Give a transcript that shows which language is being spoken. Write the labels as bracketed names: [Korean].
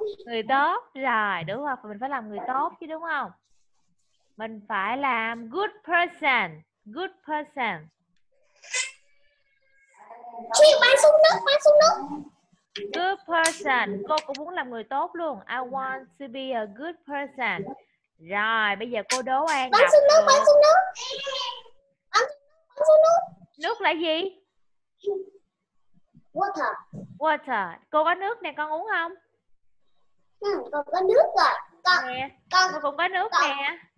[Vietnamese] Người tốt, rồi, đúng rồi, mình phải làm người tốt chứ đúng không? Mình phải làm [English] good person. Good person. [Vietnamese] Chị bán xuống nước, bán xuống nước. [English] Good person. [Vietnamese] Cô cũng muốn làm người tốt luôn. [English] I want to be a good person. [Vietnamese] Rồi, bây giờ cô đố An. Bắn xuống nước, bắn xuống nước. Bắn xuống nước. Nước là gì? [English] Water. Water. [Vietnamese] Cô có nước nè, con uống không? Ừ, con có nước rồi. Con, nè, con cũng có nước con, nè.